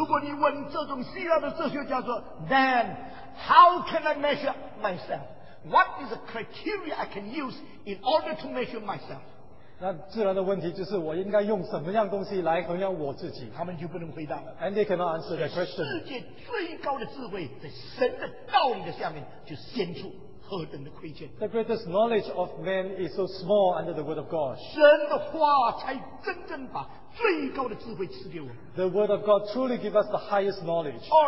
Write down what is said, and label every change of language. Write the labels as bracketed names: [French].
[Chinese] 意思就是说，你可以以自己为本来衡量你以外所有的东西。如果你问这种希腊的哲学家说， [English] Then how can I measure myself? What is the criteria I can use in order to measure myself? [Chinese] 那自然的问题就是，我应该用什么样东西来衡量我自己？他们就不能回答。 [English] And they cannot answer that question. [Chinese] 世界最高的智慧在神的道理的下面就显出。 [English] The greatest knowledge of man is so small under the word of God. The word of God truly gives us the highest knowledge.